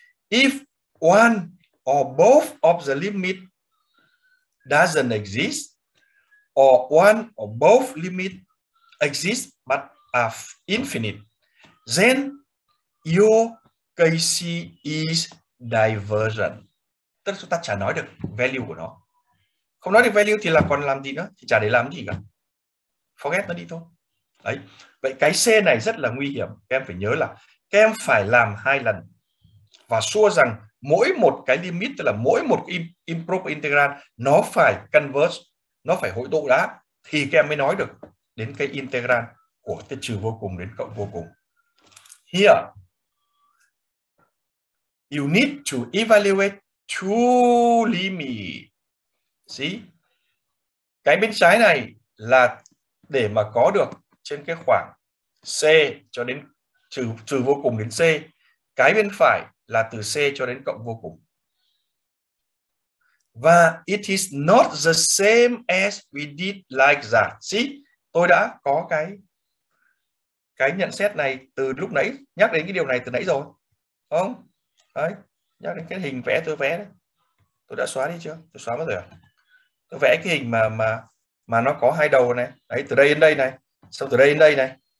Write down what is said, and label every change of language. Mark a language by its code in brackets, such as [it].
[en] If one or both of the limit doesn't exist, or one or both limit exist but are infinite, then your KC is divergent. [vi] Tức chúng ta chả nói được value của nó. Không nói được value thì là còn làm gì nữa? Thì chả để làm gì cả. Forget nó đi thôi. Đấy. Vậy cái C này rất là nguy hiểm. Các em phải nhớ là các em phải làm hai lần. Và xua rằng mỗi một cái limit, tức là mỗi một improper integrand, nó phải converge, nó phải hội tụ đã. Thì các em mới nói được đến cái integrand của từ trừ vô cùng đến cộng vô cùng. [en] Here, you need to evaluate two limits. See? [vi] Cái bên trái này là để mà có được trên cái khoảng C cho đến trừ vô cùng đến C. Cái bên phải là từ C cho đến cộng vô cùng. [en] Và it is not the same as we did like that. See? [vi] Tôi đã có cái nhận xét này từ lúc nãy, nhắc đến cái điều này từ nãy rồi. Không? Đấy. Nhắc đến cái hình vẽ tôi vẽ đấy. Tôi đã xóa đi chưa? Tôi xóa mất rồi à? Tôi vẽ cái hình mà nó có hai đầu này. Đấy, từ đây đến đây này. Xong từ đây đến đây này.